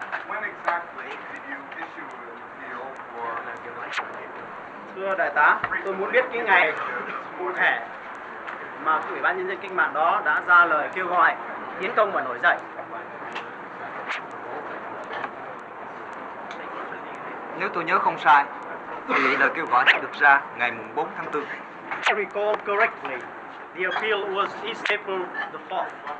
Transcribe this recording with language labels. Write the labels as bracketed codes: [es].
[en] When exactly did you issue an appeal for? [vi] Thưa đại tá, tôi muốn biết cái ngày cụ thể mà Ủy ban Nhân dân Cách mạng đó đã ra lời kêu gọi tiến công và nổi dậy. Nếu tôi nhớ không sai, thì lời kêu gọi đã được ra ngày 4 tháng 4. [en] I recall correctly, the appeal was East April the 4th.